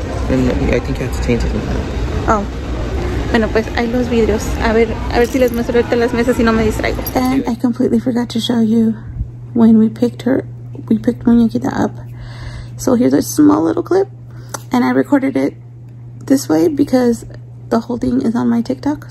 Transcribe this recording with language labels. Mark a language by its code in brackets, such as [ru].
[en] I think you have to change it in that. [es] Oh. Bueno, pues hay los vidrios. A ver si les muestro ahorita las mesas y no me distraigo. [en] And I completely forgot to show you when we picked Muñequita up. So here's a small little clip. And I recorded it this way because the whole thing is on my TikTok.